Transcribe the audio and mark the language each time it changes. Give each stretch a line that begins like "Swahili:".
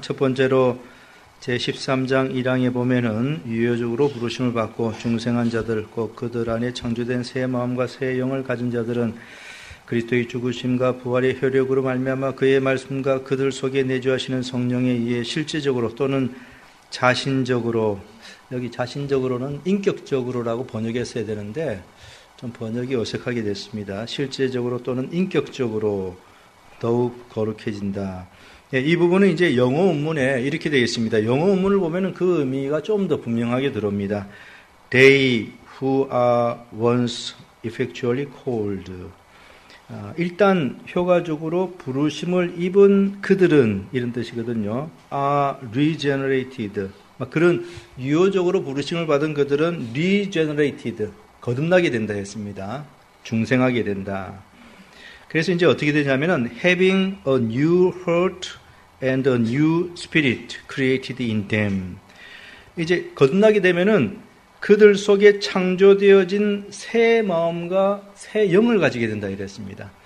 Korean: 첫 번째로 제13장 1항에 보면은 유효적으로 부르심을 받고 중생한 자들, 곧 그들 안에 창조된 새 마음과 새 영을 가진 자들은 그리스도의 죽으심과 부활의 효력으로 말미암아 그의 말씀과 그들 속에 내주하시는 성령에 의해 실제적으로 또는 자신적으로, 여기 자신적으로는 인격적으로라고 번역했어야 되는데 좀 번역이 어색하게 됐습니다. 실제적으로 또는 인격적으로 더욱 거룩해진다. 예, 이 부분은 이제 영어 원문에 이렇게 되어 있습니다. 영어 원문을 보면 그 의미가 좀 더 분명하게 들어옵니다.
English: They who are once effectually called.
Korean: 일단 효과적으로 부르심을 입은 그들은 이런 뜻이거든요.
English: Are regenerated.
Korean: 그런 유효적으로 부르심을 받은 그들은
English: regenerated.
Korean: 거듭나게 된다 했습니다. 중생하게 된다. 그래서 이제 어떻게 되냐면은
English: having a new heart and a new spirit created in them.
Korean: 이제 거듭나게 되면은 그들 속에 창조되어진 새 마음과 새 영을 가지게 된다 이랬습니다.